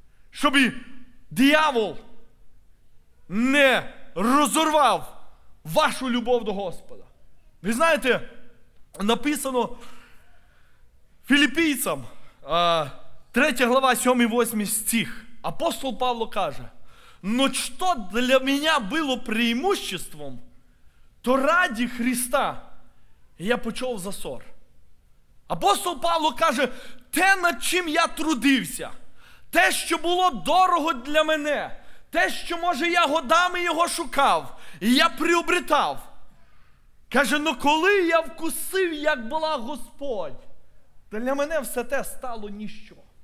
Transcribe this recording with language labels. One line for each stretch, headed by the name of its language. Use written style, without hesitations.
Ukrainian: Щоб диявол не розорвав вашу любов до Господа. Ви знаєте, написано Філіппійцям, 3 глава, 7-8 стих. Апостол Павло каже,
Russian: «Но что для меня было преимуществом, то ради Христа я почув засор».
Ukrainian: Апостол Павло каже, те, над чим я трудився, те, що було дорого для мене, те, що, може, я годами його шукав, і я приобретав. Каже, ну коли я вкусив, як була Господь, для мене все те стало ніщо.